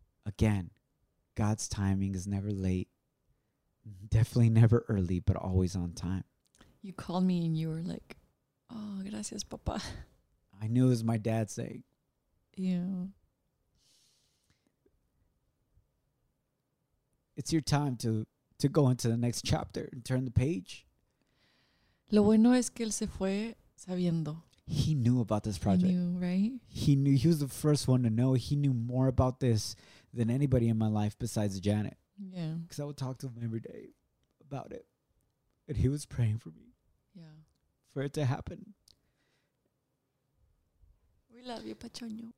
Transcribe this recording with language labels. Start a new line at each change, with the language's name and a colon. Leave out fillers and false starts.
English: Again, God's timing is never late, definitely never early, but always on time. You called me and you were like, oh,
Spanish: gracias, papa.
English: I knew it was my dad saying. Yeah. It's your time to go into the next chapter and turn the page.
Spanish: Lo bueno es que él se fue sabiendo.
English: He knew about this project. He knew, right? He knew. He was the first one to know. He knew more about this than anybody in my life besides Janet. Yeah. Because I would talk to him every day about it. And he was praying for me. Yeah. For it to happen. We love you, Pachoño.